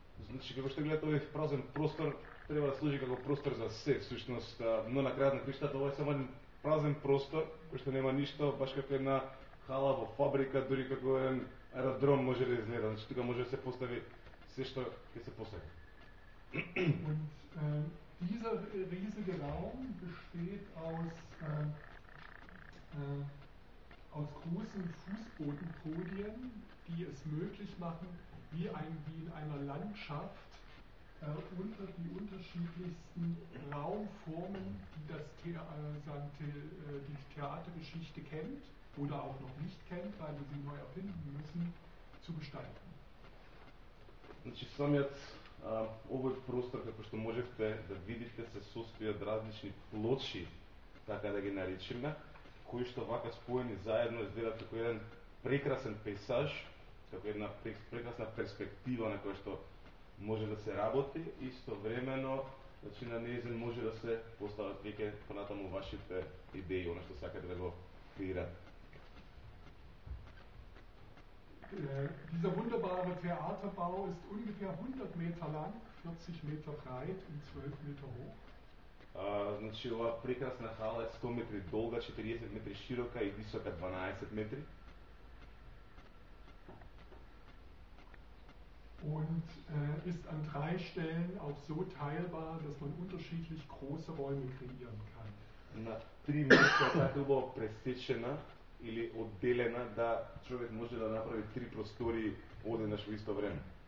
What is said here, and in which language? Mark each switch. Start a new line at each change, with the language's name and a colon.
Macedonian: Значи, како што гледате, овој празен простор треба да служи како простор за се, всушност, но на крајот на криштата ова е само еден празен простор, кој што нема ништо, баш како една хала во фабрика, дури како еден аеродром може да изгледа. Значи, тука може да се постави се што ќе се посака.
German: Und dieser riesige Raum besteht aus großen Fußbodenpodien, die es möglich machen, wie in einer Landschaft unter die unterschiedlichsten Raumformen, die die Theatergeschichte kennt, oder auch noch nicht kennt, weil wir sie neu erfinden müssen, zu gestalten.
Macedonian: Значи самиот овој простор, како што можевте да видите, се состои од различни плочи, така да ги наричиме, кои што вака споени заедно изгледат како еден прекрасен пейсаж, како една прекрасна перспектива на која што може да се работи, истовремено, значи на нејзен може да се постават веќе понатаму вашите идеи, оно што сакате да го креирате.
German: Dieser wunderbare Theaterbau ist ungefähr 100 Meter lang, 40 Meter breit und 12 Meter hoch.
Macedonian: Значи, ова прекрасна хала е 100 метри долга, 40 метри широка и висока 12 метри.
German: Und ist an drei Stellen auch so teilbar, dass man unterschiedlich große Räume kreieren kann.
Macedonian: На три места така било пресечена или одделена да човек може да направи три простории одеднаш во исто време.